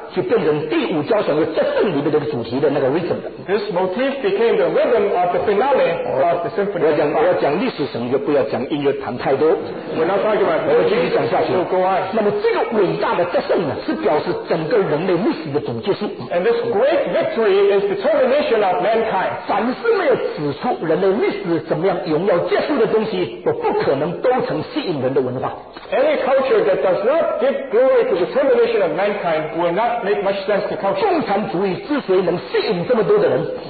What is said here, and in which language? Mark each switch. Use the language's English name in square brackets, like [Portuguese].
[English] This motif became the rhythm of the finale of the symphony. [Chinese] 我要讲历史神学，不要讲音乐谈太多。 [English] We're not talking about that. [Chinese] 我继续讲下去。 [English] We'll go on. [Chinese] 那么这个伟大的得胜呢, 是表示整个人类历史的总结数。 [English] And this great victory is the termination of mankind. [Chinese] 凡是没有指出人类历史怎么样荣耀结束的东西, 都不可能都成吸引人的文化。 [English] Any culture that does not give glory to the termination of mankind will not make much sense to culture. [Chinese] 共产主义之所以能吸引这么多的人,